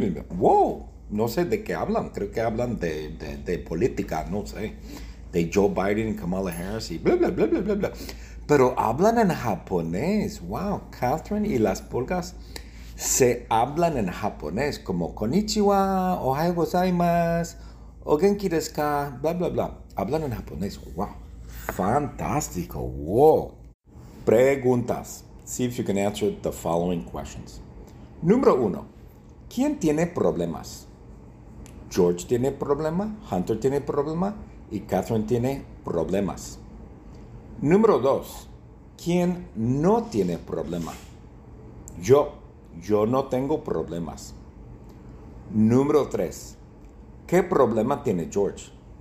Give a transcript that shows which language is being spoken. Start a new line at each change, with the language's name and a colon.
Spanish: ¡Wow! No sé de qué hablan, creo que hablan de política, no sé, de Joe Biden, Kamala Harris y bla, bla, bla, bla, bla, bla. Pero hablan en japonés, wow, Ketherine y las pulgas se hablan en japonés, como
Japanese: konnichiwa, ohayou gozaimasu, ogenki desu ka,
Spanish: bla, bla, bla. Hablan en japonés, wow, fantástico, wow.
English: Preguntas, see if you can answer the following questions.
Spanish: Número uno, ¿quién tiene problemas? George tiene problema, Hunter tiene problema y Ketherine tiene problemas. Número dos, ¿quién no tiene problema? Yo no tengo problemas. Número tres, ¿qué problema tiene George?